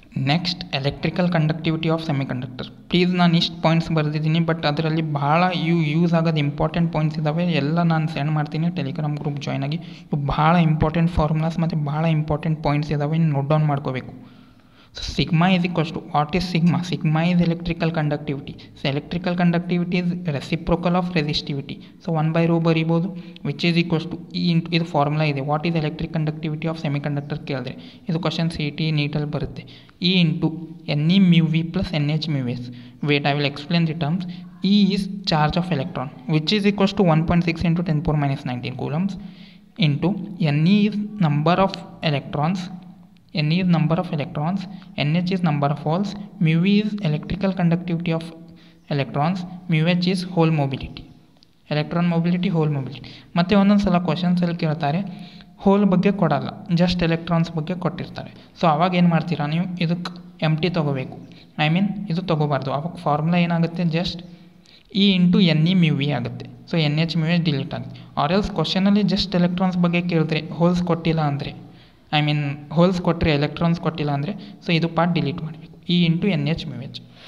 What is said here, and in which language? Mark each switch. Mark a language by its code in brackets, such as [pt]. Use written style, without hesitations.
[kn] Next, electrical conductivity of semiconductor. Please, ನಾನು ಇಷ್ಟು points ಬರೆದಿದ್ದೀನಿ, ಬಟ್ ಅದರಲ್ಲಿ ಭಾಳ ಯೂಸ್ ಆಗೋದು ಇಂಪಾರ್ಟೆಂಟ್ ಪಾಯಿಂಟ್ಸ್ ಇದ್ದಾವೆ, ಎಲ್ಲ ನಾನು ಸೆಂಡ್ ಮಾಡ್ತೀನಿ ಟೆಲಿಗ್ರಾಮ್ ಗ್ರೂಪ್ ಜಾಯ್ನ್ ಆಗಿ. ಭಾಳ ಇಂಪಾರ್ಟೆಂಟ್ ಫಾರ್ಮುಲಾಸ್ ಮತ್ತು ಭಾಳ ಇಂಪಾರ್ಟೆಂಟ್ ಪಾಯಿಂಟ್ಸ್ ಇದ್ದಾವೆ, ನೋಟ್ ಡೌನ್ ಮಾಡ್ಕೋಬೇಕು. [en] So sigma is equals to, what is sigma? Sigma is electrical conductivity. So electrical conductivity is reciprocal of resistivity. So 1 by rho [kn] bari bodu, [en] which is equals to E into the formula. What is electric conductivity of semiconductor? This is question CET neet [kn] al barutte. [en] E into Ne mu V plus Nh mu S. Wait, I will explain the terms. E is charge of electron, which is equals to 1.6 into 10 power minus 19 coulombs. Into Ne is number of electrons. Ne is number of electrons, Nh is number of holes, mu V is electrical conductivity of electrons, mu H is hole mobility. Electron mobility, hole mobility. [kn] ಮತ್ತೆ ಒಂದೊಂದು ಸಲ questions ಅಲ್ಲಿ ಕೇಳ್ತಾರೆ, hole ಬಗ್ಗೆ ಕೊಡಲ್ಲ, just electrons ಬಗ್ಗೆ ಕೊಟ್ಟಿರ್ತಾರೆ. So ಅವಾಗ ಏನು ಮಾಡ್ತೀರಾ ನೀವು, ಇದಕ್ಕೆ ಎಮ್ ಟಿ ತೊಗೋಬೇಕು, [en] I mean [kn] ಇದು ತೊಗೋಬಾರ್ದು. ಅವಾಗ ಫಾರ್ಮುಲಾ ಏನಾಗುತ್ತೆ, just E into N E mu V ಆಗುತ್ತೆ. So N H mu H delete ಆಗುತ್ತೆ. ಆರ್ ಎಲ್ಸ್ ಕ್ವಶನಲ್ಲಿ ಜಸ್ಟ್ ಎಲೆಕ್ಟ್ರಾನ್ಸ್ ಬಗ್ಗೆ ಕೇಳಿದ್ರೆ, ಹೋಲ್ಸ್ ಕೊಟ್ಟಿಲ್ಲ ಅಂದರೆ, [en] I mean [kn] ಹೋಲ್ಸ್ ಕೊಟ್ಟರೆ ಎಲೆಕ್ಟ್ರಾನ್ಸ್ ಕೊಟ್ಟಿಲ್ಲ ಅಂದರೆ, ಸೊ ಇದು ಪಾರ್ಟ್ ಡಿಲೀಟ್ ಮಾಡಬೇಕು, E into N H mu H.